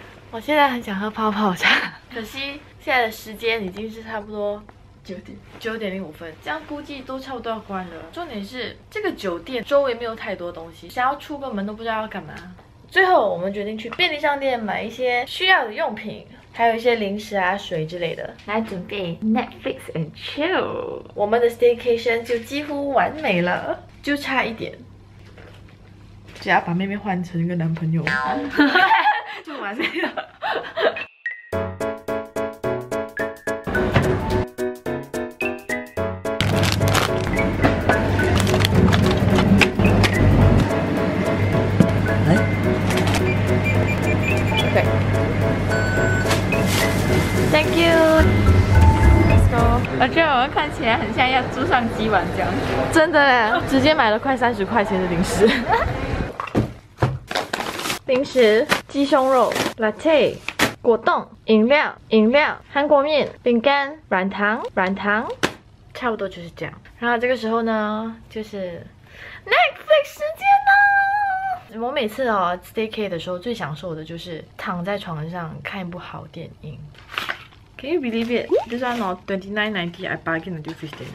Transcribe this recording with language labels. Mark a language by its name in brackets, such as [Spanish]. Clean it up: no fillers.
[Chinese] 我现在很想喝泡泡茶，可惜现在的时间已经是差不多。 9:05，这样估计都差不多要关了。重点是这个酒店周围没有太多东西，想要出个门都不知道要干嘛。最后我们决定去便利商店买一些需要的用品，还有一些零食啊、水之类的，来准备 [English] Netflix and chill。 [Chinese] 我们的 staycation 就几乎完美了，就差一点，只要把妹妹换成一个男朋友，就完美了。觉得我们看起来很像要住上几晚这样子。真的嘞，直接买了快30块钱的零食。零食，鸡胸肉 ，latte， 果冻，饮料，饮料，韩国面，饼干，软糖，软糖，差不多就是这样。然后这个时候呢，就是 Netflix 时间啦。我每次哦 staycay 的时候最享受的就是躺在床上看一部好电影。 [English] Can you believe it? This one or $29.90 I bargain until $15.